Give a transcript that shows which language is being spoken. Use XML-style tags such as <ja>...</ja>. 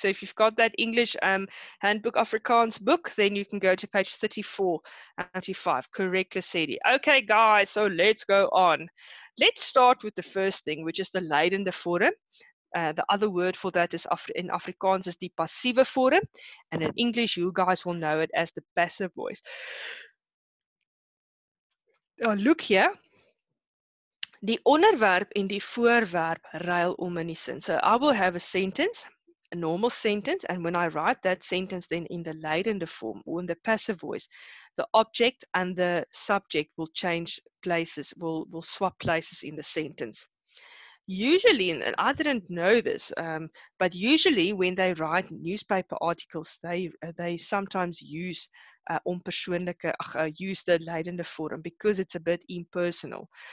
<en>So if you've got that English handbook Afrikaans book, then you can go to page 34 and 35. Correct, the city. Okay, guys, so let's go on. Let's start with the first thing, which is the Lydende vorm. The other word for that is in Afrikaans is</en> <af>die passive vorm.</af> <en>And in English, you guys will know it as the passive voice. Look here,</en> <af>die onderwerp en die voorwerp ruil om in die sin.</af> <en>So I will have a sentence, a normal sentence, and when I write that sentence then in the Lydende form or in the passive voice, the object and the subject will change places, will swap places in the sentence. Usually, and I didn't know this, but usually when they write newspaper articles, they sometimes use use the Lydende vorm because it's a bit impersonal.</en>